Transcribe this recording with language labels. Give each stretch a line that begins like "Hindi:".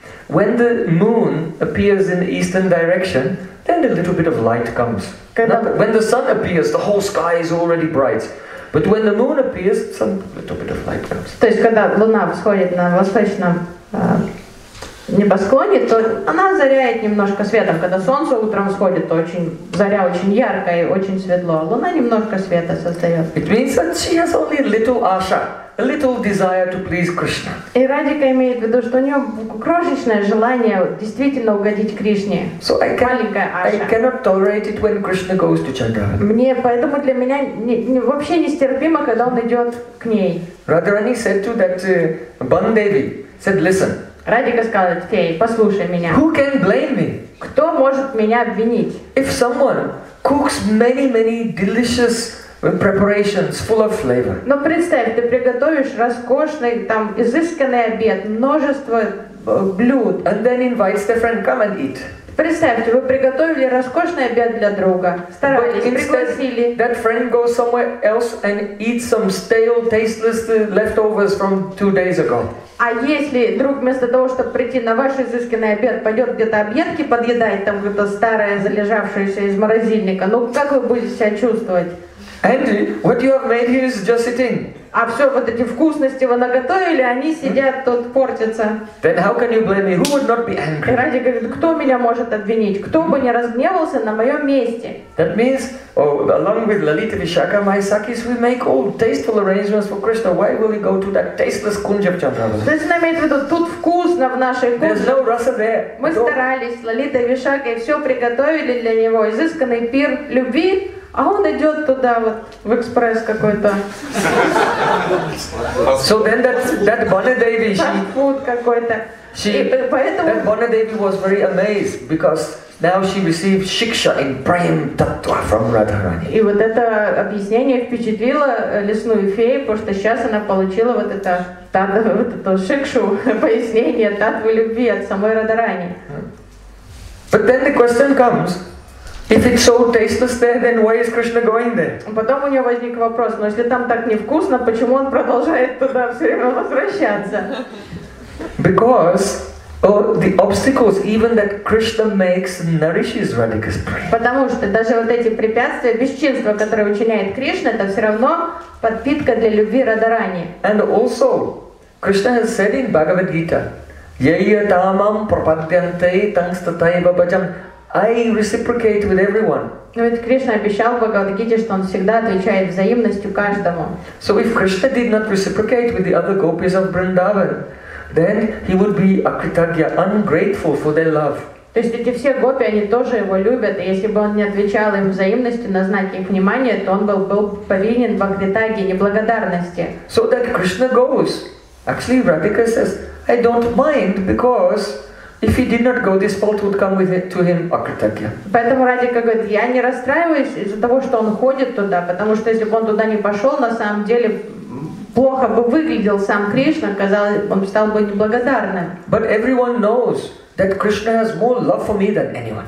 English: When the moon appears in the eastern direction, then a little bit of light comes. When the sun appears, the whole sky is already bright. But when the moon appears, some little bit of light comes.
Russian: То есть когда луна всходит на восточном небосклоне, то она заряет немножко светом. Когда солнце утром всходит, то очень заря очень яркая и очень светло. Луна немножко света создает.
English: It means that she has only a little asha, a little desire to please Krishna.
Russian: И Радика имеет в виду, что у нее крошечное желание действительно угодить Кришне.
English: So
Russian: маленькая Аша.
English: I cannot tolerate it when Krishna goes to Chandravali.
Russian: Мне поэтому для меня вообще нестерпимо, когда он идет к ней.
English: Radharani said to that Bandevi, said, listen.
Russian: Радика сказала, фей, послушай меня.
English: Who can blame me?
Russian: Кто может меня обвинить?
English: If someone cooks many delicious preparations full of flavor.
Russian: Но представь, ты приготовишь роскошный, там, изысканный обед, множество блюд.
English: And then invites the friend, come and eat.
Russian: Представьте, вы приготовили роскошный обед для друга, старались, пригласили.
English: That friend goes somewhere else and eats some stale, tasteless leftovers from 2 days ago.
Russian: А если друг вместо того, чтобы прийти на ваш изысканный обед, пойдет где-то объедки подъедать, там, где-то старое, залежавшееся из морозильника, ну, как вы будете себя чувствовать?
English: And what you have made here is just sitting.
Russian: А все вот эти вкусности вы наготовили, они сидят тут портятся.
English: Then how can you blame me? Who would not be angry?
Russian: Ради говорит, кто меня может обвинить? Кто бы не разгневался на моем месте?
English: That means, oh, along with Lalita Vishaka, my sakis, we make all tasteful arrangements for Krishna. Why will we go to that tasteless kunja of Chandravali?
Russian: То есть она имеет в виду, тут вкусно в нашей кунже.
English: There's no rasa there.
Russian: Мы старались с Лалитой Вишакой все приготовили для него, изысканный пир любви. А он идет туда вот в экспресс какой-то.
English: So then that Bonadevi, that Bonadevi was very amazed because now she received shiksha in Prem Tattva from Radharani.
Russian: И вот это объяснение впечатлило лесную фею, потому что сейчас она получила вот это шикшу, пояснение таттвы любви от самой Радхарани.
English: But then the question comes, if it's so tasteless there, then why is Krishna going there?
Russian: Потом у него возник вопрос, но если там так невкусно, почему он продолжает туда все время возвращаться?
English: Because the obstacles even that Krishna makes nourishes Radhika's pride.
Russian: Потому что даже вот эти препятствия, бесчинство, которое учиняет Кришна, это все равно подпитка для любви Радхарани.
English: And also, Krishna has said in Bhagavad Gita,
Sanskrit: yaya tamam prapadyante tangstataiva bhajam.
English: I reciprocate with everyone.
Russian: Но ведь Кришна обещал в Бхагавад-гите, что он всегда отвечает взаимностью каждому.
English: So if Krishna did not reciprocate with the other gopis of Vrindavan, then he would be akritagya, ungrateful for their love.
Russian: То есть эти все гопи, они тоже его любят, и если бы он не отвечал им взаимностью на знаки их внимания, то он был повинен в акритаге, неблагодарности.
English: So that Krishna goes. Actually, Radhika says, I don't mind because if he did not go, this fault would come with it to him, akritagya.
Russian: Поэтому Радика говорит, я не расстраиваюсь из-за того, что он ходит туда, потому что если бы он туда не пошел, на самом деле плохо бы выглядел сам Кришна, казалось, он стал бы неблагодарным.
English: But everyone knows that Krishna has more love for me than anyone.